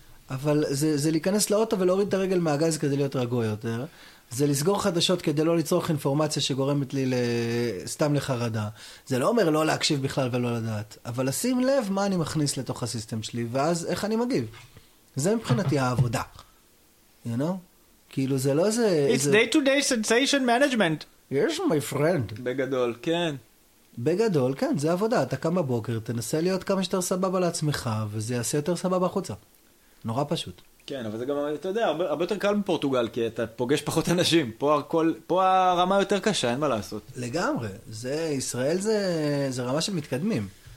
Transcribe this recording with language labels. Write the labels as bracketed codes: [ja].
[he] אבל זה להיכנס לאוטו ולהוריד את הרגל מהגז כדי להיות רגוע יותר. זה לסגור חדשות כדי לא לצרוך אינפורמציה שגורמת לי סתם לחרדה. זה לא אומר לא להקשיב בכלל ולא לדעת. אבל לשים לב מה אני מכניס לתוך הסיסטם שלי, ואז איך אני מגיב. זה מבחינתי העבודה. [en] You know? [he] כאילו זה לא זה... [en] It's day-to-day sensation management. Yes, my friend. [he] בגדול, כן. בגדול, כן, זה עבודה. אתה קם בבוקר, תנסה להיות כמה שיותר סבבה לעצמך, וזה יעשה יותר סבבה החוצה. נורא פשוט. כן, אבל זה גם, אתה יודע, הרבה יותר קל מפורטוגל, כי אתה פוגש פחות אנשים. פה הרמה יותר קשה, אין מה לעשות. לגמרי. זה, ישראל זה רמה של מתקדמים.